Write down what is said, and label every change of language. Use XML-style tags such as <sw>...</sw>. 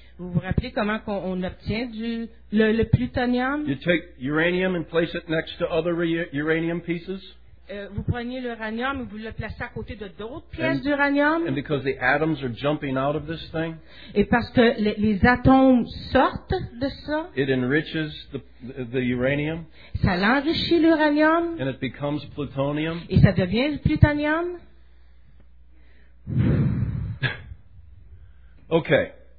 <fr>Vous vous rappelez comment on obtient le plutonium?</fr> <en>You take uranium and place it next to other uranium pieces.</en> <fr>Vous prenez l'uranium et vous le placez à côté de d'autres pièces d'uranium.</fr> <en>And because the atoms are jumping out of this thing.</en> <fr>Et parce que les atomes sortent de ça.</fr> <en>It enriches the uranium.</en> <fr>Ça l'enrichit l'uranium.</fr> <en>And it becomes plutonium.</en> <fr>Et ça devient le plutonium. Okay.</fr>